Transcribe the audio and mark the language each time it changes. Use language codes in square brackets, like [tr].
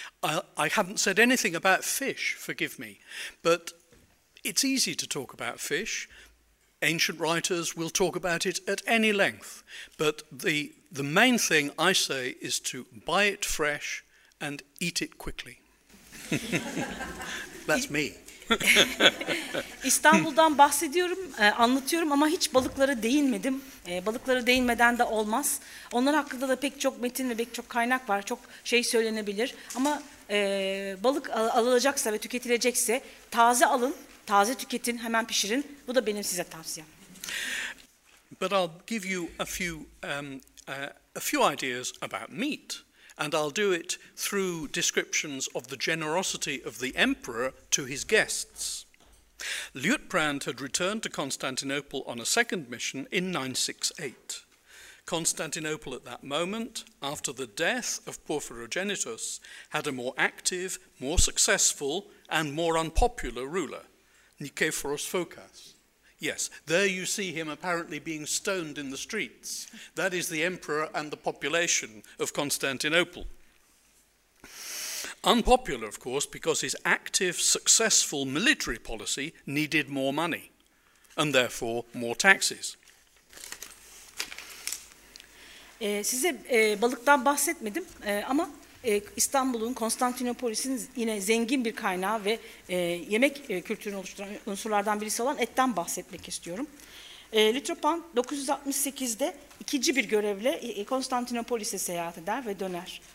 [en] I haven't said anything about fish, forgive me, but it's easy to talk about fish. Ancient writers will talk about it at any length, but the main thing I say is to buy it fresh and eat it quickly. That's me. [tr] İstanbul'dan bahsediyorum, anlatıyorum ama hiç balıklara değinmedim. Balıklara değinmeden de olmaz. Onlar hakkında da pek çok metin ve pek çok kaynak var. Çok şey söylenebilir. Ama balık alınacaksa ve tüketilecekse taze alın, taze tüketin, hemen pişirin. Bu da benim size tavsiyem. [en] But I'll give you a few ideas about meat, and I'll do it through descriptions of the generosity of the emperor to his guests. Liutprand had returned to Constantinople on a second mission in 968. Constantinople at that moment, after the death of Porphyrogenitus, had a more active, more successful, and more unpopular ruler, Nikephoros Phokas. Yes, there you see him apparently being stoned in the streets. That is the emperor and the population of Constantinople. Unpopular, of course, because his active, successful military policy needed more money, and therefore more taxes. [tr] Size balıktan bahsetmedim ama İstanbul'un, Konstantinopolis'in yine zengin bir kaynağı ve yemek kültürünü oluşturan unsurlardan birisi olan etten bahsetmek istiyorum. Liutprand 968'de ikinci bir görevle Konstantinopolis'e seyahat eder ve döner.